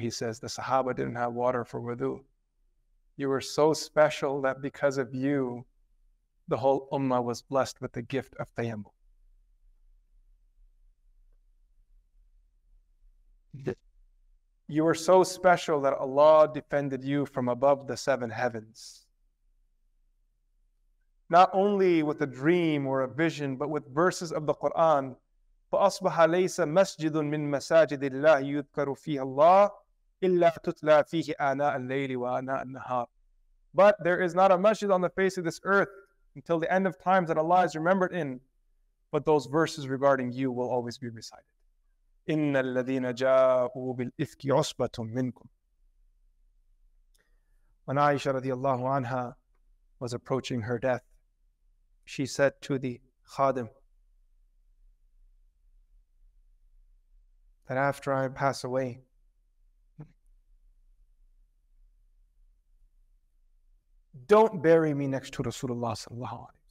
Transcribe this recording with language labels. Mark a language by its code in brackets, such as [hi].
[en] He says, the Sahaba didn't have water for wudu. You were so special that because of you, the whole Ummah was blessed with the gift of tayammum. You were so special that Allah defended you from above the seven heavens. Not only with a dream or a vision, but with verses of the Quran, [ar] فَأَصْبَحَ لَيْسَ مَسْجِدٌ مِّن مَسَاجِدِ اللَّهِ يُذْكَرُ فِيهَ اللَّهِ إِلَّا تُتْلَى فِيهِ آنَاءَ اللَّيْلِ وَآنَاءَ النَّهَارِ. [en] But there is not a masjid on the face of this earth until the end of times that Allah is remembered in, but those verses regarding you will always be recited. [ar] إِنَّ الَّذِينَ جَاءُوا بِالْإِفْكِ عُصْبَةٌ مِّنْكُمْ. [en] When Aisha radiallahu anha was approaching her death, she said to the khadim that after I pass away, don't bury me next to Rasulullah sallallahu alayhi wa sallam.